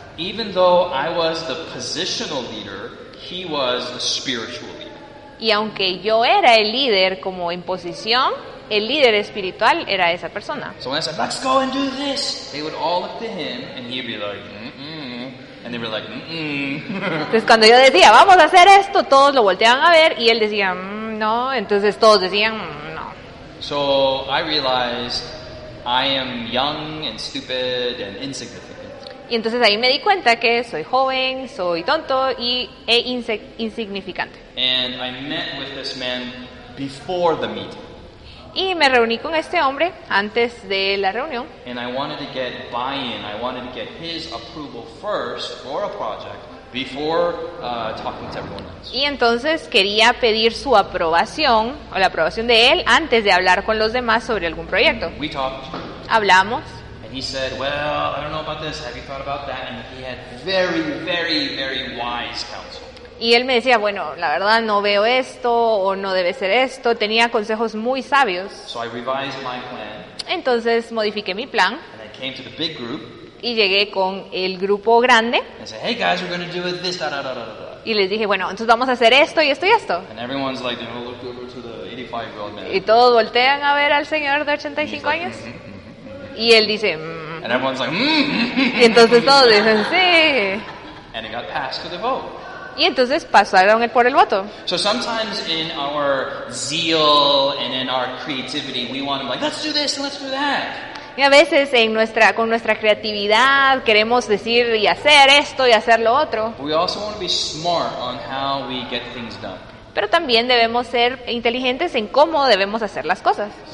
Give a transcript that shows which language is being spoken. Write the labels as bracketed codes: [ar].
[en] Even though I was the positional leader, he was the spiritual leader. [es] Y aunque yo era el líder como en posición, el líder espiritual era esa persona. [en] So when I said, let's go and do this, they would all look to him and he'd be like, mm-mm. And they were like, mm-mm. [es] Entonces cuando yo decía, vamos a hacer esto, todos lo volteaban a ver y él decía, no. Entonces todos decían, no. [en] So I realized I am young and stupid and insignificant. [es] Y entonces ahí me di cuenta que soy joven, soy tonto y insignificante. [en] And I met with this man before the meeting. [es] Y me reuní con este hombre antes de la reunión. [en] And I wanted to get buy-in. I wanted to get his approval first for a project before talking to everyone else. [es] Y entonces quería pedir su aprobación o la aprobación de él antes de hablar con los demás sobre algún proyecto. [en] We talked. [es] Hablamos. [en] And he said, well, I don't know about this. Have you thought about that? And he had very, very, very wise counsel. [es] Y él me decía, bueno, la verdad no veo esto o no debe ser esto. Tenía consejos muy sabios. [en] So I revised my plan. [es] Entonces modifiqué mi plan. [en] And I came to the big group. [es] Y llegué con el grupo grande. [en] And said, hey guys, we're going to do this, da, da, da, da, da. [es] Y les dije, bueno, entonces vamos a hacer esto y esto y esto. [en] And everyone's like, you know, looked over to the 85-year-old man. [es] Y todos voltean a ver al señor de 85 años. Y él dice, [en] And everyone's like, [es] Y entonces todos dicen, sí. [en] And it got passed to the vote. [es] Y entonces pasaron por el voto. [en] So sometimes in our zeal and in our creativity, we want to like, let's do this and let's do that. [es] Y a veces en nuestra, con nuestra creatividad queremos decir y hacer esto y hacer lo otro. [en] We also want to be smart on how we get things done. [es] Pero también debemos ser inteligentes en cómo debemos hacer las cosas.